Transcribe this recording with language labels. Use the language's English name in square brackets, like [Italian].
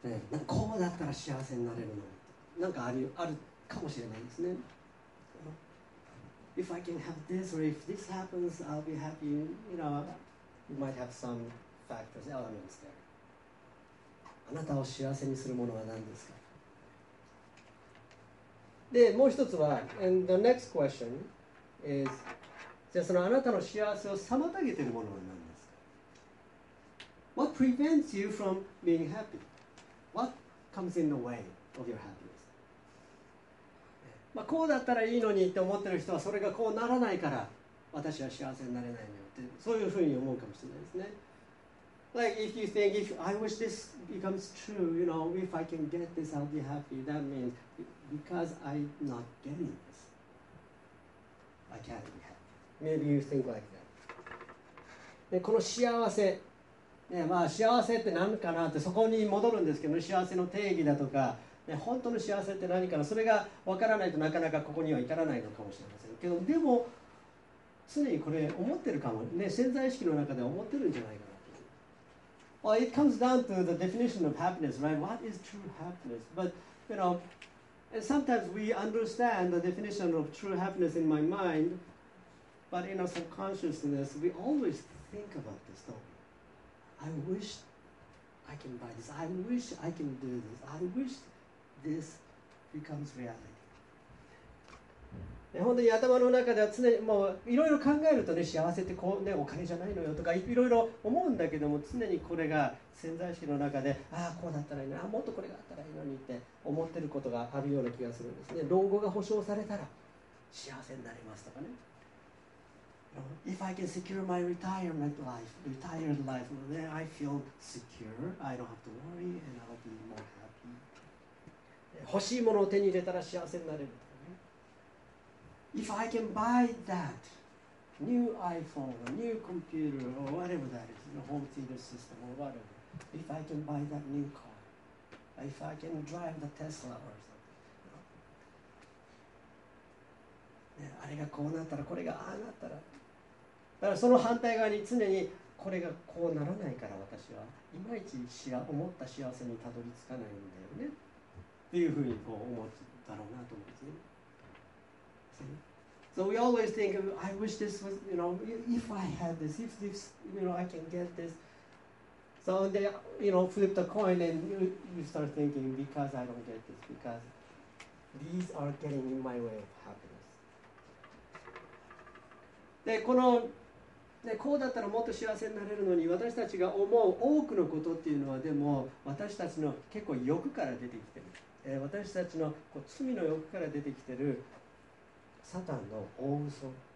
[Japanese] なんかこうだったら幸せになれるの。なんかあるかもしれないですね。 [English] If I can have this, or if this happens, I'll be happy. You know, you might have some factors, elements there. [Japanese] あなたを幸せにするものは何ですか？で、もう一つは、 [English] and the next question is, [Japanese] じゃあそのあなたの幸せを妨げているものは何ですか？ [English] What prevents you from being happy? What comes in the way of your happiness? [Japanese] まあ、こうだったらいいのにって思ってる人はそれがこうならないから私は幸せになれないのよってそういうふうに思うかもしれないですね。 [English] Like if you think if I wish this becomes true, you know, if I can get this, I'll be happy. That means because I'm not getting this, I can't be happy. Maybe you think like that. [Japanese] でこの幸せ、ね、まあ幸せって何かなってそこに戻るんですけど、幸せの定義だとか。本当の幸せって何かな、それが分からないとなかなかここには至らないのかもしれませんけど、でも常にこれ思ってるかもね、潜在意識の中で思ってるんじゃないかなと。 [English] Well, it comes down to the definition of happiness, right? What is true happiness? But, you know, sometimes we understand the definition of true happiness in my mind, but in our subconsciousness, we always think about this, don't we? I wish I can buy this. I wish I can do this. I wish... This becomes reality. [Japanese] 本当に頭の中では常にもういろいろ考えるとね、幸せってこうねお金じゃないのよとかいろいろ思うんだけども、常にこれが潜在意識の中で、ああこうだったらいいな、もっとこれがあったらいいのにって思ってることがあるような気がするんですね。老後が保証されたら幸せになりますとかね。 [English] If I can secure my retired life, then I feel secure. I don't have to worry and I'll be more happy. [Japanese] 欲しいものを手に入れたら幸せになれるとか、ね、 [English] If I can buy that new iPhone or new computer or whatever that is, the home theater system or whatever, if I can buy that new car, if I can drive the Tesla or something, [Japanese] ね、あれがこうなったら、これがああなったら、だからその反対側に常にこれがこうならないから私はいまいち思った幸せにたどり着かないんだよね。っていうふうにこう思うだろうなと思うんですね。 [English] So we always think of, I wish this was, you know, if I had this, if this, you know, I can get this. So they, you know, flip the coin and you start thinking, because I don't get this, because these are getting in my way of happiness. [Japanese] で、この、ね、こうだったらもっと幸せになれるのに、私たちが思う多くのことっていうのは、でも私たちの結構欲から出てきてる。私たちのこう罪の欲から出てきているサタンの大嘘なんですよね。